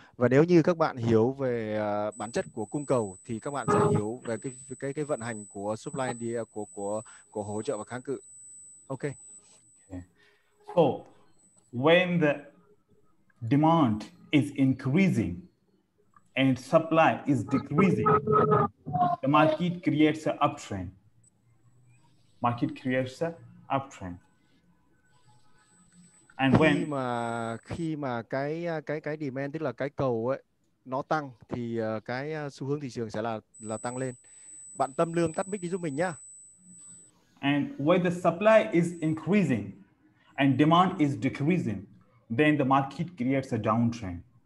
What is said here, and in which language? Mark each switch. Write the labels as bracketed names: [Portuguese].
[Vietnamese] Và nếu như các bạn hiểu về bản chất của cung cầu thì các bạn sẽ hiểu về cái vận hành của supply của hỗ trợ và kháng cự. [English] Okay. So when the demand is increasing and supply is decreasing, the market creates an uptrend. Market creates an uptrend. And when [Vietnamese] khi mà cái demand, tức là cái cầu ấy, nó tăng thì cái xu hướng thị trường sẽ là tăng lên. Bạn Tâm Lương tắt mic đi giúp mình nhá. [English] And when the supply is increasing and demand is decreasing, then the market creates a downtrend.